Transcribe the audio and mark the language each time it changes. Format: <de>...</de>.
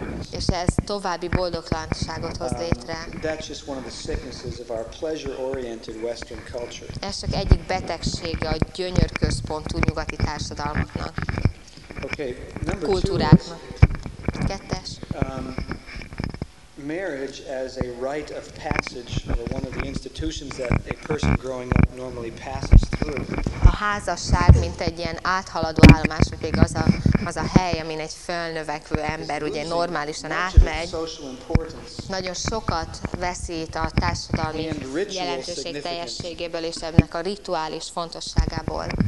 <hu>És ez további boldogtalanságot hoz létre.</hu> <en>That's just one of the sicknesses of our pleasure-oriented Western culture.</en> <hu>Ez csak egyik betegsége a gyönyörközpontú nyugati társadalmaknak.</hu> <en>Okay, number two.</en> <hu>Kultúráknak. Kettes.</hu> <en>Marriage as a rite of passage, or one of the institutions that a person growing up normally passes through.</en> <hu>A házasság, mint egy ilyen áthaladó állomás, akik az a, az a hely, amin egy fölnövekvő ember ugye normálisan átmegy, nagyon sokat veszít a társadalmi jelentőség teljességéből és ennek a rituális fontosságából.</hu>